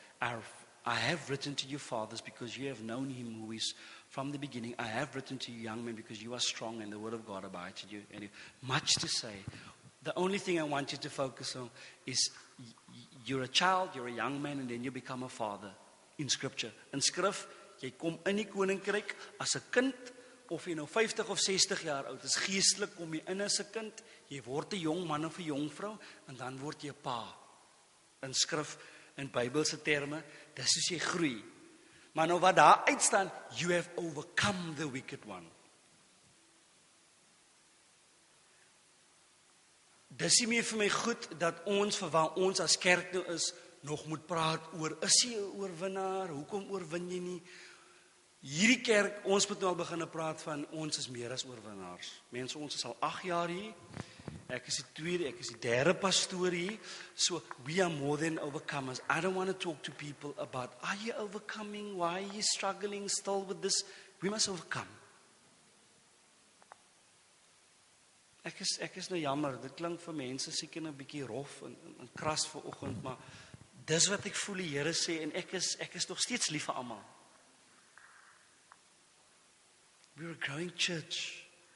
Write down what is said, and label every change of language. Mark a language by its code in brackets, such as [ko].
[en] I have written to you, fathers, because you have known Him who is from the beginning. I have written to you, young men, because you are strong and the word of God abides in you. And much to say. The only thing I want you to focus on is you're a child, you're a young man, and then you become a father in Scripture. [af] In Skrif, jy kom in die koninkryk as 'n kind, of jy nou 50 of 60 jaar oud is. Geestelik kom jy in as 'n kind, jy word 'n jong man of 'n jong vrou, en dan word jy 'n pa. In Skrif, in Bybelse terme, dis soos jy groei. Maar nou wat daar uitstaan, [en] you have overcome the wicked one. [af] Dis nie meer vir my goed, dat ons, vir waar ons as kerk nou is, nog moet praat oor, is jy 'n oorwinnaar, hoekom oorwin jy nie? Hierdie kerk, ons moet nou al beginne praat van, ons is meer as oorwinnaars. Mense, ons is al 8 jaar hier, ek is die tweede, ek is die derde pastoor hier, [en] so we are more than overcomers. I don't want to talk to people about, are you overcoming, why are you struggling still with this? We must overcome. [af] Ek is nou jammer, dit klink vir mense seker nou 'n bietjie rof en kras vir oggend, maar dis wat ek voel die Here sê, en ek is nog steeds lief vir almal. [en] We are a growing church.